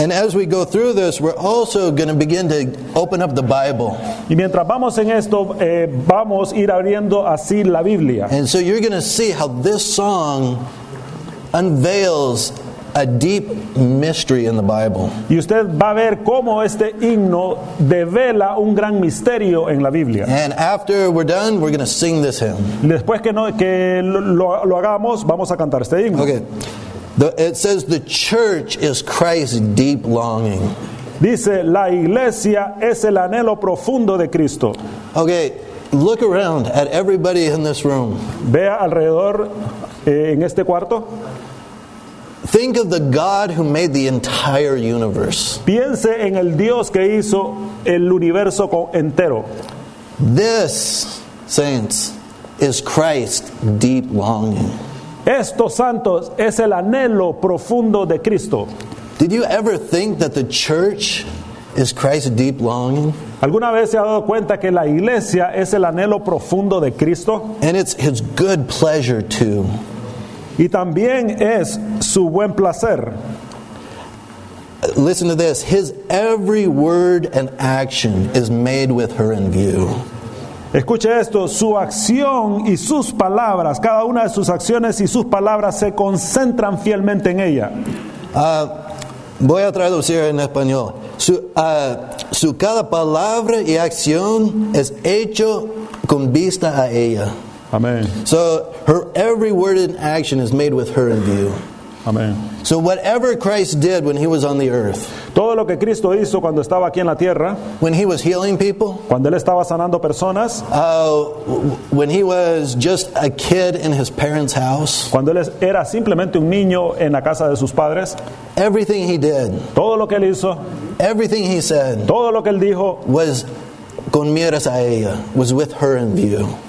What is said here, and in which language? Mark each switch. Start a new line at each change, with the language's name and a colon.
English: And as we go through this, we're also going to begin to open up the Bible.
Spanish: Y mientras vamos en esto, vamos a ir abriendo así la Biblia.
English: And so you're going to see how this song unveils a deep mystery in the Bible.
Spanish: Y usted va a ver cómo este himno devela un gran misterio en la Biblia.
English: And after we're done, we're going to sing this hymn.
Spanish: Después que lo hagamos, vamos a cantar este himno.
English: Okay. It says the church is Christ's deep longing.
Spanish: Dice la iglesia es el anhelo profundo de Cristo.
English: Okay. Look around at everybody in this room.
Spanish: Vea alrededor en este cuarto.
English: Think of the God who made the entire universe.
Spanish: Piense en el Dios que hizo el universo entero.
English: This, saints, is Christ's deep longing.
Spanish: Esto, santos, es el anhelo profundo de Cristo.
English: Did you ever think that the church is Christ's deep longing?
Spanish: ¿Alguna vez se ha dado cuenta que la iglesia es el anhelo profundo de Cristo?
English: And it's his good pleasure too.
Spanish: Y también es su buen placer.
English: Listen to this. His every word and action is made with her in view.
Spanish: Escuche esto. Su acción y sus palabras, cada una de sus acciones y sus palabras se concentran fielmente en ella. Voy a traducir en español. Su cada palabra y acción es hecho con vista a ella.
English: Amen. So her every word and action is made with her in view. Amen. So whatever Christ did when he was on the earth,
Spanish: todo lo que Cristo hizo cuando estaba aquí en la tierra,
English: when he was healing people,
Spanish: cuando él estaba sanando personas,
English: when he was just a kid in his parents' house,
Spanish: cuando él era simplemente un niño en la casa de sus padres,
English: everything he did,
Spanish: todo lo que él hizo,
English: everything he said,
Spanish: todo lo que él dijo,
English: was
Spanish: con miras a ella,
English: was with her in view.